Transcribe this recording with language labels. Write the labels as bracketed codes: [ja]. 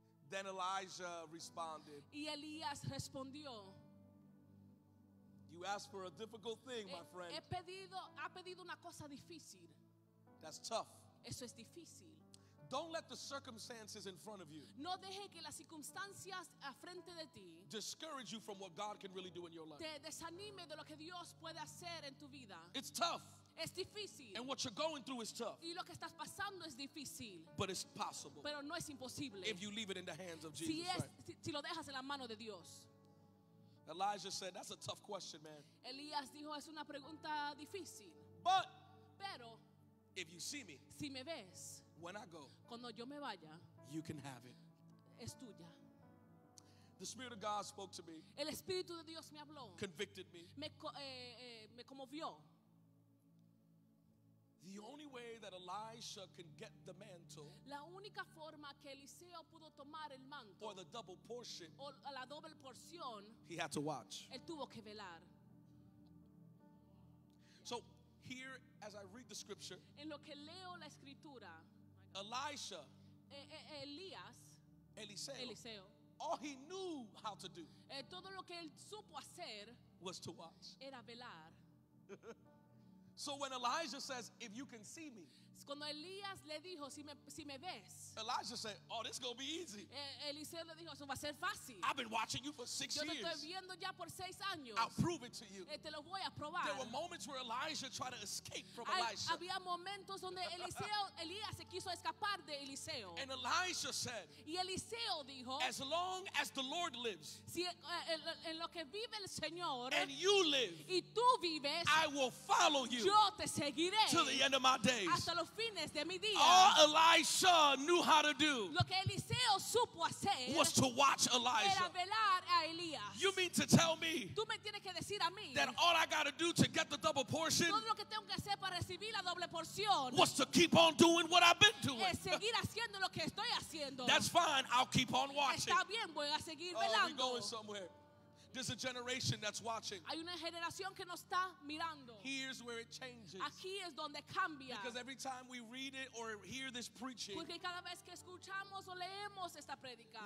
[en] Then Elijah responded. [es] Y Elías respondió. [en] You asked for a difficult thing, my friend. [es] Ha pedido una cosa difícil. [en] That's tough. [es] Eso es difícil. [en] Don't let the circumstances in front of you [es] no deje que las circunstancias a frente de ti [en] discourage you from what God can really do in your life. [es] Te desanime de lo que Dios puede hacer en tu vida. [en] It's tough. [es] Es difícil. [en] And what you're going through is tough. [es] Y lo que estás pasando es difícil. [en] But it's possible. [es] Pero no es imposible. [en] If you leave it in the hands of Jesus. [es] Si lo dejas en la mano de Dios. [en] Elijah said, that's a tough question, man. [es] Elías dijo, es una pregunta difícil. [en] But [es] pero [en] if you see me, [es] si me ves, [en] when I go, [es] cuando yo me vaya, [en] you can have it. [es] Es tuya. [en] The Spirit of God spoke to me. [es] El Espíritu de Dios me habló. [en] Convicted me. [es] Me conmovió. [en] The only way that Elisha can get the mantle, [es] la única forma que Eliseo pudo tomar el manto, [en] or the double portion, [es] o la doble porción, [en] he had to watch. [es] Él tuvo que velar. [en] So here, as I read the scripture, [es] en lo que leo la escritura, [en] Elisha, [es] Elías, [en] Eliseo, all he knew how to do, [es] todo lo que él supo hacer, [en] was to watch. [es] Era velar. [en] So when Elijah says, if you can see me, [es] cuando Elías le dijo, si me ves, [en] Elijah said, oh, this is going to be easy. [es] Eliseo le dijo, eso va a ser fácil. [en] I've been watching you for six [es] yo te [en] years. [es] Estoy viendo ya por seis años. [en] I'll prove it to you. [es] Te lo voy a probar. [en] There were moments where Elijah tried to escape from Elisha. [es] Había momentos donde Elías se quiso escapar de Eliseo. [en] And Elijah said, [es] y Eliseo dijo, [en] as long as the Lord lives, [es] si, en lo que vive el Señor, [en] and you live, [es] y tú vives, [en] I will follow you. [es] Yo te seguiré [en] to the end of my days. [es] Hasta los fines de mi día. [en] All Elisha knew how to do [es] lo que Eliseo supo hacer [en] was to watch Elijah. [es] Era velar a Elías. [en] You mean to tell me, [es] tú me tienes que decir a mí, [en] that all I got to do to get the double portion, [es] todo lo que tengo que hacer para recibir la doble porción, [en] was to keep on doing what I've been doing. [es] Es seguir haciendo lo que estoy haciendo. [en] That's fine, I'll keep on watching. [es] Está bien, voy a seguir velando. [en] Oh, we're going somewhere. There's a generation that's watching. [es] Hay una generación que nos está mirando. [en] Here's where it changes. [es] Aquí es donde cambia. [en] Because every time we read it or hear this preaching, [es] porque cada vez que escuchamos o leemos esta predica,